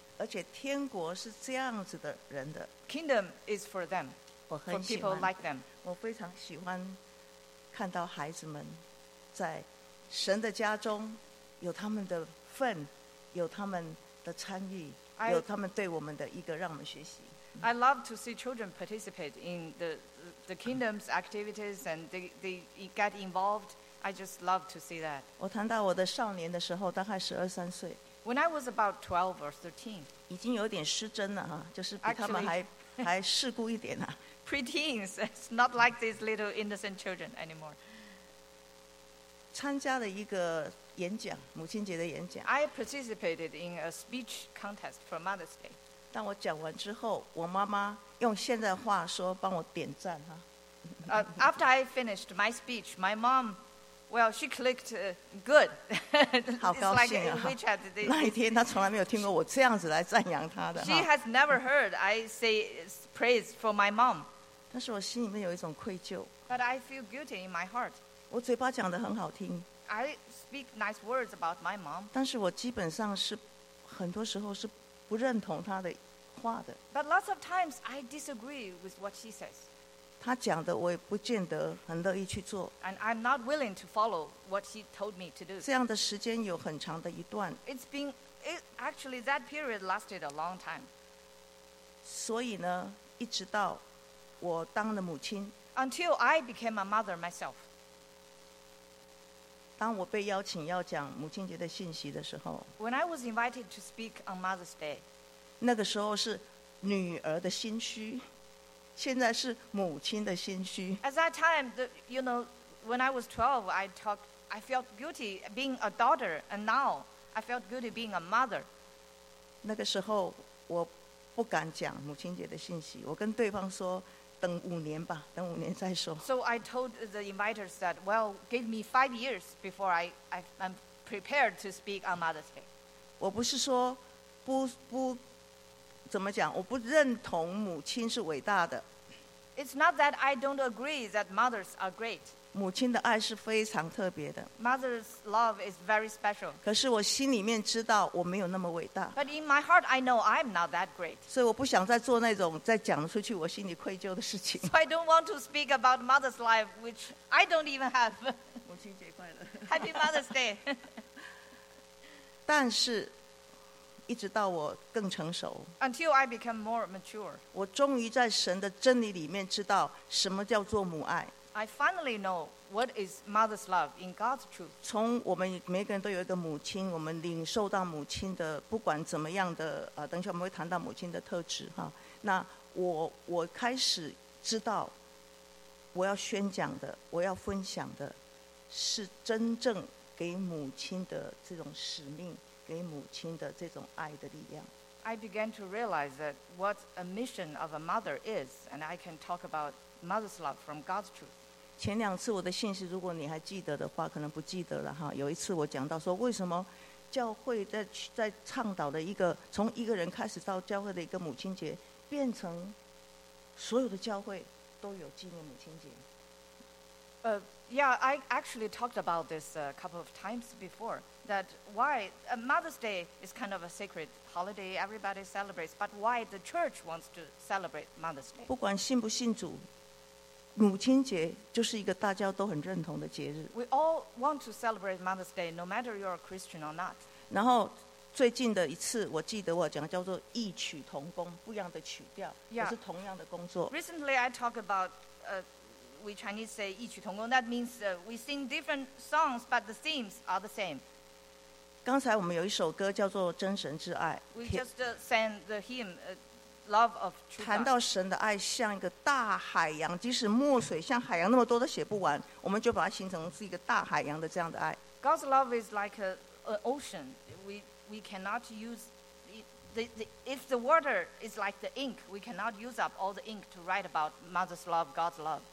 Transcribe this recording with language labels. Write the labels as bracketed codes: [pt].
[zh] 而且天国是这样子的人的。 [en] Kingdom is for them. [zh] 我很喜欢。 [en] For people like them. [zh] 我非常喜欢看到孩子们在神的家中有他们的份，有他们的参与，有他们对我们的一个让我们学习。 [en] I love to see children participate in the kingdom's activities and they get involved. I just love to see that. [zh] 我谈到我的少年的时候，大概十二三岁。 [en] When I was about 12 or 13, [zh] 已经有点失真了哈，就是比他们还世故一点呢。 [en] Preteens, it's not like these little innocent children anymore. [zh] 参加了一个演讲，母亲节的演讲。 [en] I participated in a speech contest for Mother's Day. [zh] 当我讲完之后，我妈妈用现在话说帮我点赞哈。 [en] After I finished my speech, my mom, well, she clicked good. [zh] 好高兴啊！那一天她从来没有听过我这样子来赞扬她的。 [en] She has never heard I say praise for my mom. [zh] 但是我心里面有一种愧疚。 [en] But I feel guilty in my heart. [zh] 我嘴巴讲得很好听。 [en] I speak nice words about my mom. [zh] 但是我基本上是很多时候是不认同她的话的。 [en] But lots of times I disagree with what she says. [zh] 她讲的我也不见得很乐意去做。 [en] And I'm not willing to follow what she told me to do. [zh] 这样的时间有很长的一段。 [en] Actually that period lasted a long time. [zh] 所以呢，一直到我当了母亲。 [en] Until I became a mother myself. [zh] 当我被邀请要讲母亲节的信息的时候 [en] ，When I was invited to speak on Mother's Day， [zh] 那个时候是女儿的心虚，现在是母亲的心虚。 [en] At that time, you know, when I was 12, I felt guilty being a daughter, and now I felt guilty being a mother. [zh] 那个时候我不敢讲母亲节的信息，我跟对方说。等五年吧，等五年再说。 [en] So I told the inviters that, well, give me 5 years before I'm prepared to speak on Mother's Day. [zh] 我不是说不怎么讲，我不认同母亲是伟大的。 [en] It's not that I don't agree that mothers are great. [zh] 母亲的爱是非常特别的。 [en] Mother's love is very special. [zh] 可是我心里面知道我没有那么伟大。 [en] But in my heart, I know I'm not that great. [zh] 所以我不想再做那种再讲出去我心里愧疚的事情。 [en] So I don't want to speak about mother's life, which I don't even have. [zh] 母亲节快乐。 [en] Happy Mother's Day. [zh] 但是，一直到我更成熟。 [en] Until I become more mature. [zh] 我终于在神的真理里面知道什么叫做母爱。 [en] I finally know what is mother's love in God's truth. [zh] 从我们每个人都有一个母亲，我们领受到母亲的，不管怎么样的，等一下我们会谈到母亲的特质哈。那我开始知道，我要宣讲的，我要分享的，是真正给母亲的这种使命，给母亲的这种爱的力量。 [en] I began to realize that what a mission of a mother is, and I can talk about mother's love from God's truth. [zh] 前两次我的信息如果你还记得的话可能不记得了哈。有一次我讲到说为什么教会在倡导的一个从一个人开始到教会的一个母亲节变成所有的教会都有纪念母亲节。 [en] Yeah, I actually talked about this a couple of times before, that why Mother's Day is kind of a sacred holiday everybody celebrates, but why the church wants to celebrate Mother's Day. [zh] 不管信不信主，母亲节就是一个大家都很认同的节日。 [en] We all want to celebrate Mother's Day, no matter you're a Christian or not. [zh] 然后最近的一次，我记得我讲叫做异曲同工，不一样的曲调，也、 yeah. 是同样的工作。 [en] Recently, I talked about we Chinese say 异曲同工 ，that means we sing different songs, but the themes are the same. [zh] 刚才我们有一首歌叫做《真神之爱》。 [en] We just sang the hymn. Love of truth. [zh] 谈到神的爱像一个大海洋，即使墨水像海洋那么多都写不完，我们就把它形成是一个大海洋的这样的爱。 [en] God's love is like an ocean. We cannot use if the water is like the ink, we cannot use up all the ink to write about mother's love, God's love.